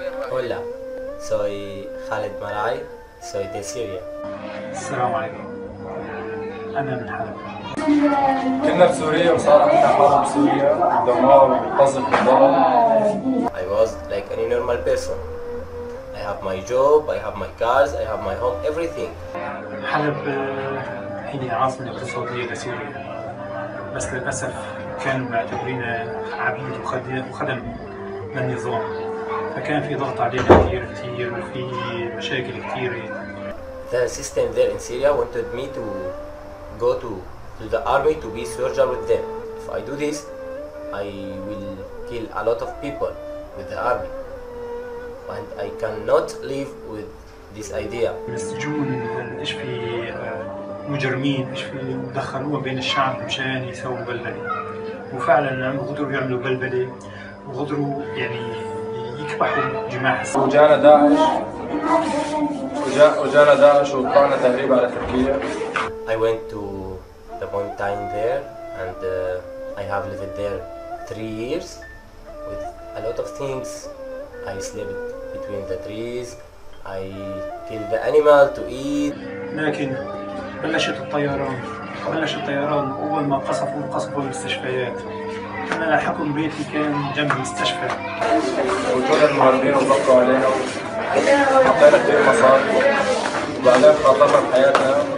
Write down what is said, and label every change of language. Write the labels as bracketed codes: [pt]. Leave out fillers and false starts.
[ar] هلا سوي خالد مراي سوي دي سيريا السلام عليكم انا من حلب كنا في سوريا وصارت حرب سوريا دمار وقصف وضرب. [en] I was like any normal person. I have my job, I have my cars, I have my home, everything. [ar] حلب هي عاصمة اقتصادية لسوريا. بس للأسف كانوا معتبرين عبيد وخدم للنظام. فكان في ضغط علينا كثير كثير وفي مشاكل كثيرة. [en] The system there in Syria wanted me to go to the army to be soldier with them. If I do this, I will kill a lot of people with the army. And I cannot live with this idea. [ar] مسجون ايش في مجرمين ايش في دخلوها بين الشعب مشان يسووا بلبلة. وفعلا قدروا يعملوا بلبلة وقدروا يعني يكبحوا جماعة. وجانا داعش وجانا داعش وقعنا تهريب على تركيا. [en] I went to the mountain there, and I have lived there 3 years with a lot of things. I slept between the trees, I killed the animal to eat. [ar] لكن بلشت الطيران اول ما قصفوا المستشفيات. انا لاحقهم بيتي كان جنب المستشفى. وجود المهربين وضغطوا علينا وحطينا كثير مصاري وبعدين خاطرنا بحياتنا.